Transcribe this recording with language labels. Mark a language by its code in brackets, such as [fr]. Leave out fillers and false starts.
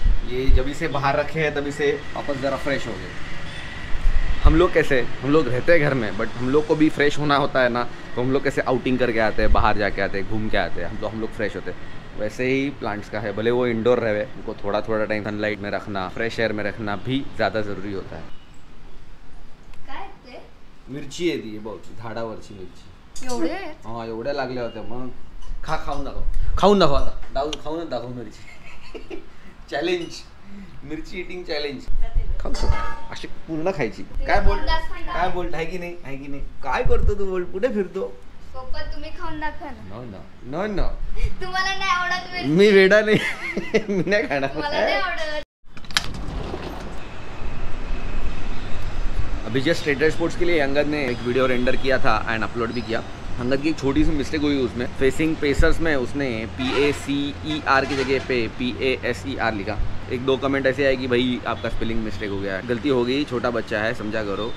[hi] ये जब इसे बाहर रखे हैं तभी से वापस ज़रा फ्रेश हो गए। हम लोग कैसे, हम लोग रहते हैं घर में बट हम लोग को भी फ्रेश होना होता है ना, तो हम लोग कैसे आउटिंग करके आते हैं, बाहर जाके आते हैं, घूम के आते हैं, हम लोग फ्रेश होते हैं। वैसे ही प्लांट्स का है, भले वो इंडोर रहे, उनको थोड़ा थोड़ा टाइम सनलाइट में रखना, फ्रेश एयर में रखना भी ज़्यादा ज़रूरी होता है। [mr] मिर्ची है दी बहुत झाडावरची मिर्ची, हाँ एवढ्या लागल्या होत्या, मग खा खाऊन दाखव, खाऊन दाखव, आता दाऊ खाऊन दाखव मिरची, चॅलेंज मिरची इटिंग चॅलेंज, अशी पूर्ण खायची। काय बोल, काय बोल, आहे की नाही, आहे की नाही, काय करतो तू, बोल कुठे फिरतो? पप्पा तुम्ही खाऊन दाखव। नो नो नो नो, तुम्हाला नाही आवडत मिरची, मी वेडा नाही, मी नाही खाणार, मला नाही आवडत। [hi] अभी जस्ट स्टेटर स्पोर्ट्स के लिए अंगद ने एक वीडियो रेंडर किया था एंड अपलोड भी किया। अंगद की एक छोटी सी मिस्टेक हुई उसमें, फेसिंग पेसर्स में उसने PACER की जगह पे PASER लिखा। एक दो कमेंट ऐसे आए कि भाई आपका स्पेलिंग मिस्टेक हो गया है, गलती हो गई, छोटा बच्चा है, समझा करो।